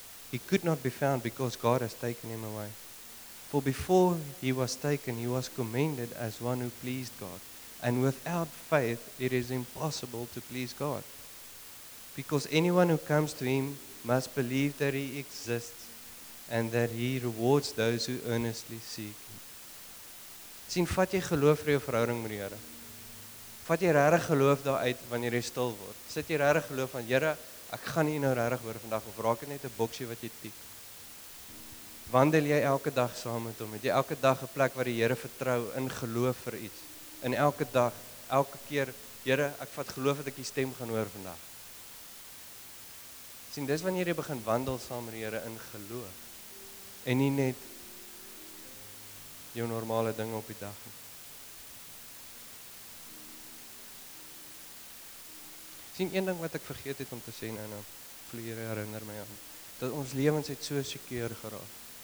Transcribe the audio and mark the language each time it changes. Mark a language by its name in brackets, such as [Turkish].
[English] He could not be found because God has taken him away. For before he was taken, he was commended as one who pleased God. And without faith, it is impossible to please God. Because anyone who comes to him must believe that he exists and that he rewards those who earnestly seek him. [Afrikaans] Sien, vat jy geloof vir jou verhouding met die Here? Vat jy regtig geloof daaruit wanneer jy stil word? Sit jy regtig geloof van, Here, ek gaan nie nou regtig hoor vandag, of raak dit net 'n boksie wat jy tik? Wandel jy elke dag saam met hom? Het jy elke dag 'n plek waar die Here vertrou in geloof vir iets? En elke dag, elke keer, Here, ek vat geloof dat ek die stem gaan hoor vandag. Sien, dis wanneer jy begin wandel saam met die Here in geloof. En nie net jou normale dinge op die dag nie. Sien, een ding wat ek vergeet het om te sê nou, vloer herinner my aan, dat ons lewens het so seker geraak.